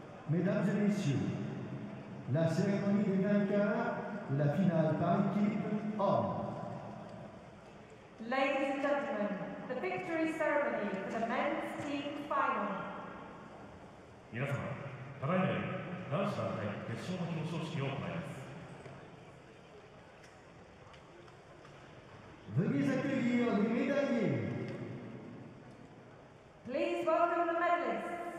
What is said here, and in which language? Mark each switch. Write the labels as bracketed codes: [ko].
[fr] mesdames et messieurs, la cérémonie des vainqueurs de la finale par équipe hommes. [en] Ladies and gentlemen, the victory ceremony for the men's team final. [ja] 皆様、ただいまより男子団体決勝の表彰式を行います。 [fr] Veuillez accueillir les médaillés. [en] Please welcome the medalists.